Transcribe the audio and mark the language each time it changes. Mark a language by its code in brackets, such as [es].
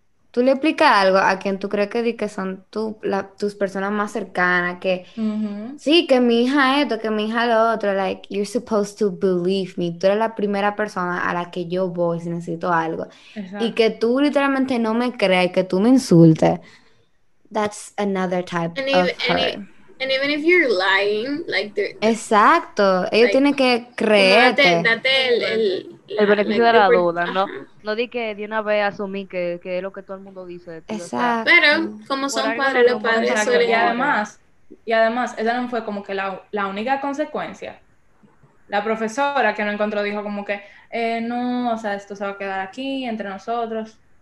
[es] Tú le explicas algo a quien tú crees que di que son tus personas más cercanas, que uh-huh. Sí, que mi hija esto, que mi hija lo otro, [en] like, you're supposed to believe me. [es] Tú eres la primera persona a la que yo voy si necesito algo. Exacto. Y que tú literalmente no me creas y que tú me insultes. [en] That's another type of hurt. And even if you're lying, like... [es] Exacto. Ellos like, tienen que creerte. Date el beneficio, like, de la duda, uh-huh. ¿No? No di que de una vez asumí que es lo que todo el mundo dice. De ti, exacto. Pero como son padres, los padres son... Y además, esa no fue como que la única consecuencia. La profesora que no encontró dijo como que, no, o sea, esto se va a quedar aquí entre nosotros.